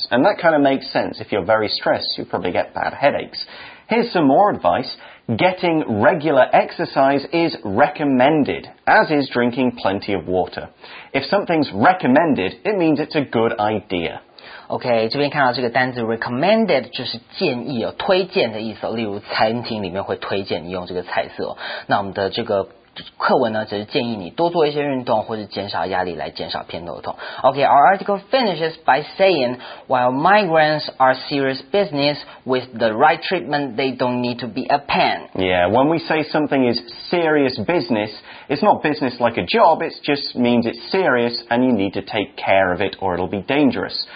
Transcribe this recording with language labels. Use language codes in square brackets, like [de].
[en] And that kind of makes sense. If you're very stressed, you probably get bad headaches. Here's some more advice. Getting regular exercise is recommended, as is drinking plenty of water. If something's recommended, it means it's a good idea. [zh] OK, 这边看到这个单字 recommended 就是建议哦，推荐的意思哦。例如餐厅里面会推荐你用这个菜色哦。那我们的这个课文呢，只是建议你多做一些运动或者减少压力来减少偏头痛。 [en] OK, our article finishes by saying, while migraines are serious business, with the right treatment, they don't need to be a pain. Yeah, when we say something is serious business, it's not business like a job, it just means it's serious and you need to take care of it or it'll be dangerous.